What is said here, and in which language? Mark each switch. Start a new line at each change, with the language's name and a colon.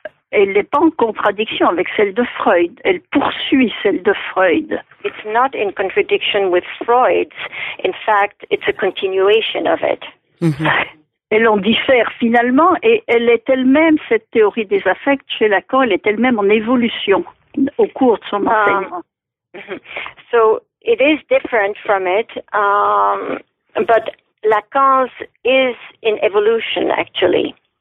French: Elle n'est pas en contradiction avec celle de Freud. Elle poursuit celle de Freud.
English: It's not in contradiction with Freud's. In fact, it's a continuation of it. Mm-hmm.
French: Elle en diffère finalement, et elle est elle-même, cette théorie des affects chez Lacan, elle est elle-même en évolution au cours de son enseignement.
English: So, it is different from it, but Lacan's is in evolution, actually.